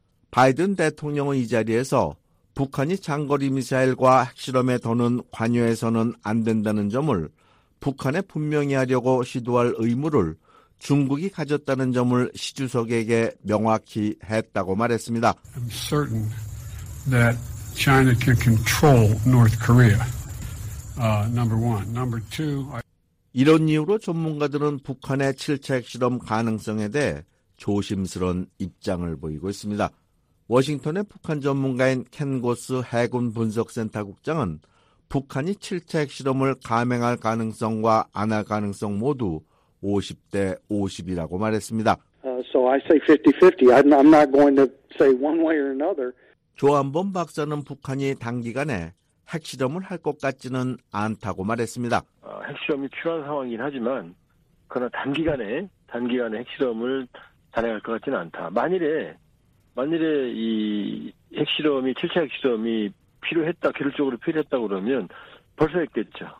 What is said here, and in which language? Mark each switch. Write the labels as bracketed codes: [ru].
[ko] 바이든 대통령은 이 자리에서 북한이 장거리 미사일과 핵실험에 더는 관여해서는 안 된다는 점을 북한에 분명히 하려고 시도할 의무를 중국이 가졌다는 점을 시 주석에게 명확히 했다고 말했습니다. [en] I'm certain that China can control North Korea. Number one. Number two, [ko] I 이유로 전문가들은 북한의 7차 핵실험 가능성에 대해 조심스러운 입장을 보이고 있습니다. 워싱턴의 북한 전문가인 켄고스 해군 분석센터 국장은 북한이 7차 핵실험을 감행할 가능성과 안 할 가능성 모두 50대 50이라고 말했습니다. [en] So I say 50-50. I'm not going to say one way or another. [ko] 조한범 박사는 북한이 단기간에 핵실험을 할 것 같지는 않다고 말했습니다. 핵실험이 필요한 상황이긴 하지만 그러나 단기간에 핵실험을 단행할 것 같지는 않다. 만일에 이 핵실험이 7차 핵실험이 필요했다, 기술적으로 필요했다 그러면 벌써 했겠죠.